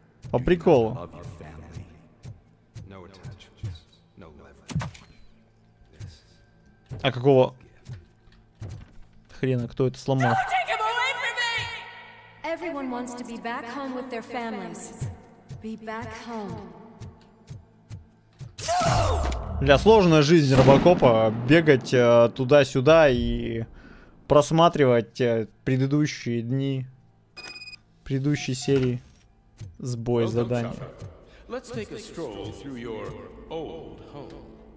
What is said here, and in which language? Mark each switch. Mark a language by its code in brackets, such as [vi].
[ru] По приколу. А какого хрена, кто это сломал? [en] Everyone wants to be back home with their families. Be back home. [ru] Для сложной жизни робокопа бегать туда-сюда и просматривать предыдущие дни предыдущей серии сбой заданий. [en] Let's take a stroll through your old home.